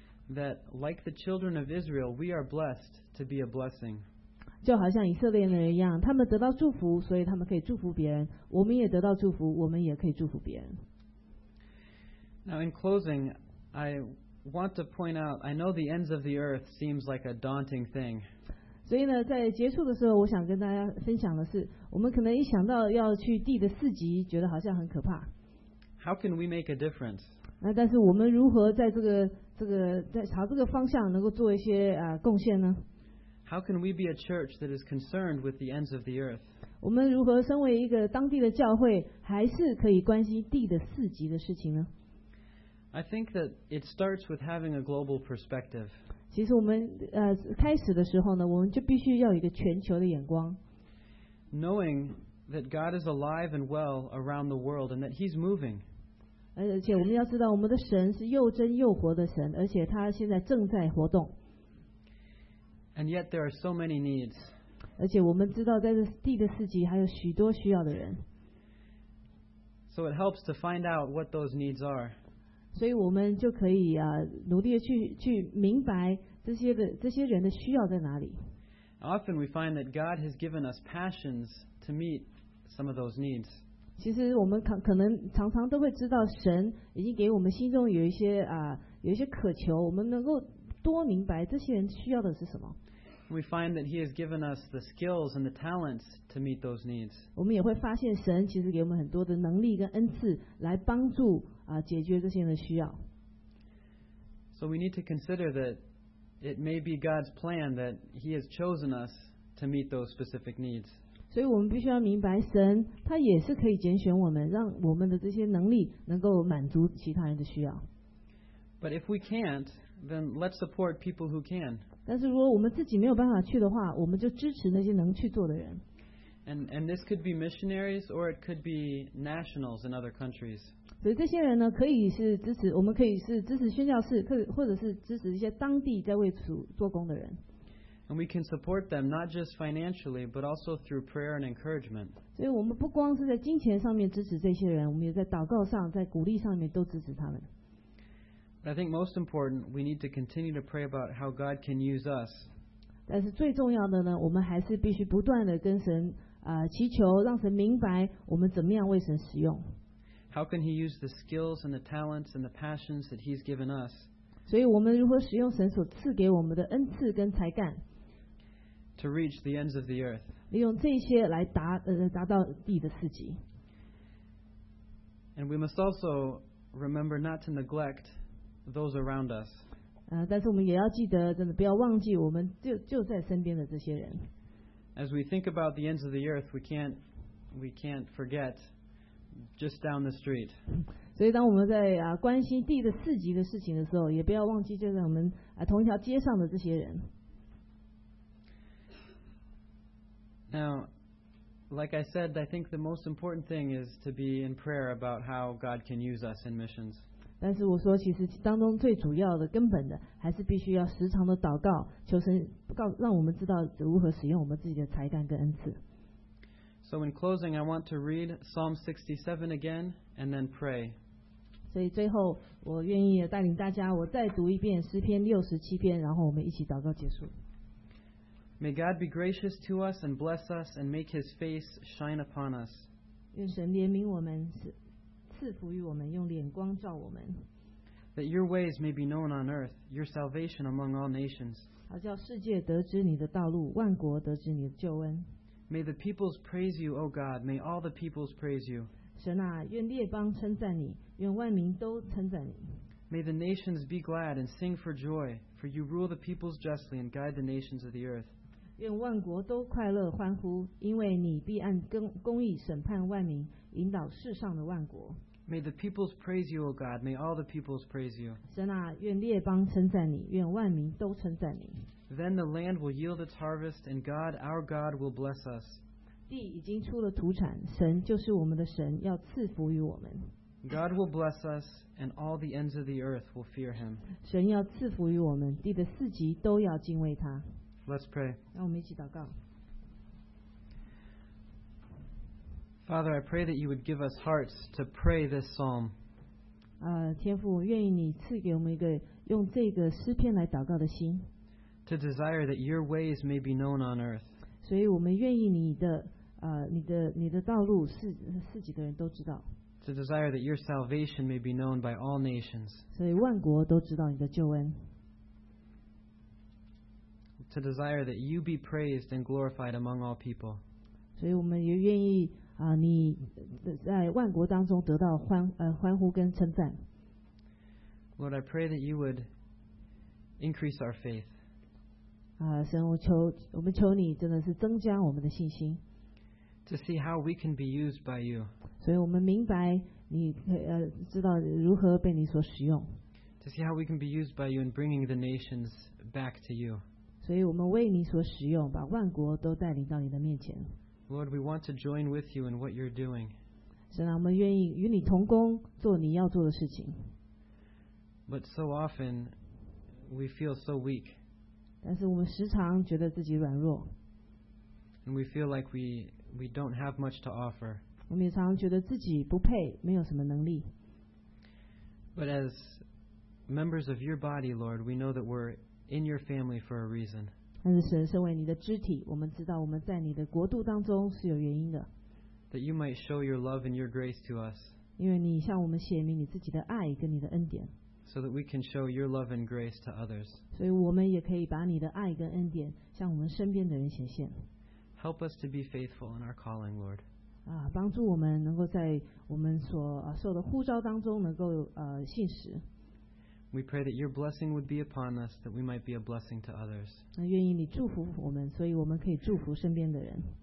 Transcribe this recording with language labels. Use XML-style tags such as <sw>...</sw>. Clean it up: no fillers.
<en>That like the children of Israel, we are blessed to be a blessing.</en> <zh>就好像以色列人一样, 他们得到祝福, 所以他们可以祝福别人, 我们也得到祝福, 我们也可以祝福别人。</zh> <en>Now in closing, I want to point out, I know the ends of the earth seems like a daunting thing.</en> <zh>所以呢, 在结束的时候, 我想跟大家分享的是, 我们可能一想到要去地的四极, 觉得好像很可怕。</zh> <en>How can we make a difference?</en> <zh>那但是我们如何在这个, 在朝这个方向能够做一些, 贡献呢?</zh> <en>How can we be a church that is concerned with the ends of the earth?</en> <zh>我们如何身为一个当地的教会, 还是可以关心地的四极的事情呢?</zh> <en>I think that it starts with having a global perspective.</en> <zh>其实我们, 开始的时候呢, 我们就必须要有一个全球的眼光。</zh> <en>Knowing that God is alive and well around the world and that He's moving.</en> <zh>而且我们要知道我们的神是又真又活的神，而且他现在正在活动。</zh> <en>And yet there are so many needs.</en> <zh>而且我们知道在这地的四极还有许多需要的人。</zh> <en>So it helps to find out what those needs are.</en> <zh>所以我们就可以努力去明白这些人的需要在哪里。</zh> <en>Often we find that God has given us passions to meet some of those needs.</en> <zh>其实我们可能常常都会知道神已经给我们心中有一些渴求，我们能够多明白这些人需要的是什么。</zh> <en>We find that He has given us the skills and the talents to meet those needs.</en> <zh>我们也会发现神其实给我们很多的能力跟恩赐来帮助解决这些人的需要。</zh> <en>So we need to consider that it may be God's plan that He has chosen us to meet those specific needs.</en> <zh>所以我们必须要明白神他也是可以拣选我们，让我们的这些能力能够满足其他人的需要。</zh> <en>But if we can't, then let's support people who can.</en> <zh>但是如果我们自己没有办法去的话，我们就支持那些能去做的人。</zh> <en>And this could be missionaries or it could be nationals in other countries.</en> <zh>所以这些人呢，可以是支持，我们可以是支持宣教士，或者是支持一些当地在为主做工的人。</zh> <en>And we can support them not just financially but also through prayer and encouragement.</en> <zh>所以我们不光是在金钱上面支持这些人，我们也在祷告上、在鼓励上面都支持他们。</zh> <en>But I think most important, we need to continue to pray about how God can use us.</en> <zh>但是最重要的呢，我们还是必须不断的跟神祈求，让神明白我们怎么样为神使用。</zh> <en>How can He use the skills and the talents and the passions that He's given us?</en> <zh>所以我们如何使用神所赐给我们的恩赐跟才干</zh> <en>？To reach the ends of the earth.</en> <zh>利用这些来达到地的四极。</zh> <en>And we must also remember not to neglect. Those around us.</en> <zh>但是我们也要记得，真的不要忘记我们就在身边的这些人。</zh> <en>As we think about the ends of the earth, we can't forget just down the street.</en> <zh>所以当我们在关心地的四极的事情的时候，也不要忘记就在我们同一条街上的这些人。</zh> <en>Now, like I said, I think the most important thing is to be in prayer about how God can use us in missions.</en> <zh>但是我说，其实当中最主要的、根本的，还是必须要时常的祷告，求神让我们知道如何使用我们自己的才干跟恩赐。</zh> <en>So in closing, I want to read Psalm 67 again and then pray.</en> <zh>所以最后，我愿意带领大家，我再读一遍诗篇67篇，然后我们一起祷告结束。</zh> <en>May God be gracious to us and bless us and make His face shine upon us.</en> <zh>愿神怜悯我们赐福于我们，用脸光照我们。</zh> <en>That your ways may be known on earth, your salvation among all nations.</en> <zh>好叫世界得知你的道路，万国得知你的救恩。</zh> <en>May the peoples praise you, O God. May all the peoples praise you.</en> <zh>神啊，愿列邦称赞你，愿万民都称赞你。</zh> <en>May the nations be glad and sing for joy, for you rule the peoples justly and guide the nations of the earth.</en> <zh>愿万国都快乐欢呼，因为你必按公义审判万民。引导世上的万国。</zh> <en>May the peoples praise you, O God. May all the peoples praise you.</en> <zh>神啊，愿列邦称赞你，愿万民都称赞你。</zh> <en>Then the land will yield its harvest, and God, our God, will bless us.</en> <zh>地已经出了土产，神就是我们的神，要赐福于我们。</zh> <en>God will bless us, and all the ends of the earth will fear Him.</en> <zh>神要赐福于我们，地的四极都要敬畏他。</zh> <en>Let's pray.</en> <zh>让我们一起祷告。</zh> <en>Father, I pray that you would give us hearts to pray this psalm.</en> <zh>天父，愿意你赐给我们一个用这个诗篇来祷告的心。</zh> <en>To desire that your ways may be known on earth.</en> <zh>所以我们愿意你的道路是几个人都知道。</zh> <en>To desire that your salvation may be known by all nations.</en> <zh>所以万国都知道你的救恩。</zh> <en>To desire that you be praised and glorified among all people.</en> <zh>所以我们也愿意。你在万国当中得到欢呼跟称赞。</zh> <en>Lord, I pray that you would increase our faith.</en> <zh>神，我们求你真的是增加我们的信心。</zh> <en>To see how we can be used by you.</en> <zh>所以我们明白你知道如何被你所使用。</zh> <en>To see how we can be used by you in bringing the nations back to you.</en> <zh>所以我们为你所使用，把万国都带领到你的面前。</zh> <en>Lord, we want to join with you in what you're doing.</en> <zh>神啊，我们愿意与你同工，做你要做的事情。</zh> <en>But so often, we feel so weak.</en> <zh>但是我们时常觉得自己软弱。</zh> <en>And we feel like we don't have much to offer.</en> <zh>我们也常觉得自己不配，没有什么能力。</zh> <en>But as members of your body, Lord, we know that we're in your family for a reason.</en> <zh>但是神身为你的肢体，我们知道我们在你的国度当中是有原因的。</zh> <en>That you might show your love and your grace to us.</en> <zh>因为你向我们显明你自己的爱跟你的恩典。</zh> <en>So that we can show your love and grace to others.</en> <zh>所以我们也可以把你的爱跟恩典向我们身边的人显现。</zh> <en>Help us to be faithful in our calling, Lord.</en> <zh>啊，帮助我们能够在我们所受的呼召当中能够信实。</zh> <en>We pray that your blessing would be upon us, that we might be a blessing to others.</en> <zh>愿意你祝福我们，所以我们可以祝福身边的人。</zh>